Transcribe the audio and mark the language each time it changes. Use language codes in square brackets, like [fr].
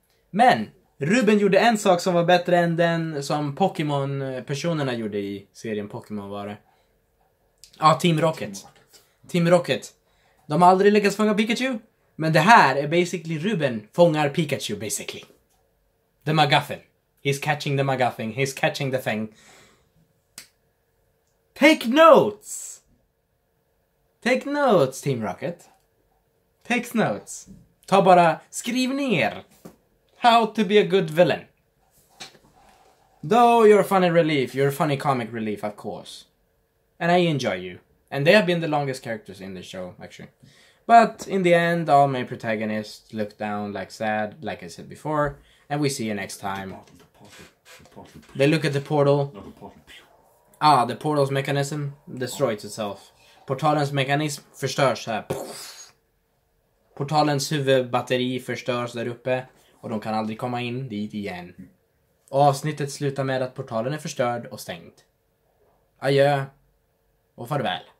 [sv] Men Ruben gjorde en sak som var bättre än den som Pokémon-personerna gjorde i serien Pokémon, var det? Ja, Team Rocket. Team Rocket. De har aldrig lyckats fånga Pikachu. Men det här är basically Ruben fångar Pikachu, basically. [en] The MacGuffin. He's catching the MacGuffin. He's catching the thing. Take notes! Take notes, Team Rocket. Take notes. [sv] Ta bara, skriv ner. [en] How to be a good villain. Though you're a funny relief, you're a funny comic relief, of course. And I enjoy you. And they have been the longest characters in the show, actually. But in the end, all my protagonists look down like sad, like I said before. And we see you next time. The portal. They look at the portal. Ah, the portal's mechanism destroys itself. [sv] Portalens mekanism förstörs här. Portalens huvudbatteri förstörs där uppe. Och de kan aldrig komma in dit igen. Och avsnittet slutar med att portalen är förstörd och stängt. Adjö. Och farväl.